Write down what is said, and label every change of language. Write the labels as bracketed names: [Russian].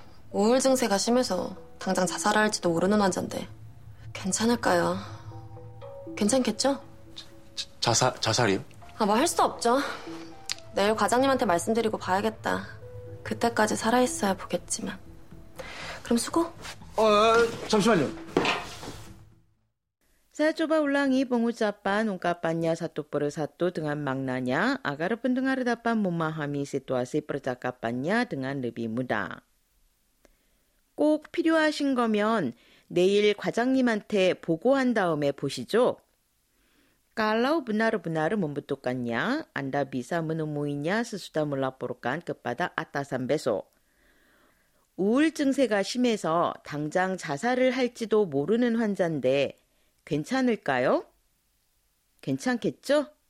[Korean] 우울 증세가 심해서 당장 자살할지도 모르는 환자인데 괜찮을까요? 괜찮겠죠? 자살이요? 뭐 할 수 없죠. 내일 과장님한테 말씀드리고 봐야겠다. 그때까지 살아있어야 보겠지만. 그럼 수고. 잠시만요. [Indonesian] Saya coba ulangi pengucapan ungkapannya satu per satu dengan maknanya agar pendengar dapat memahami situasi percakapannya dengan lebih mudah. [Korean] 꼭 필요하신 거면 내일 과장님한테 보고한 다음에 보시죠. [Indonesian] Kalau benar-benar membutuhkannya, Anda bisa menemuinya sesudah melaporkan kepada atasan besok. [Korean] 우울 증세가 심해서 당장 자살을 할지도 모르는 환자인데 괜찮을까요? 괜찮겠죠?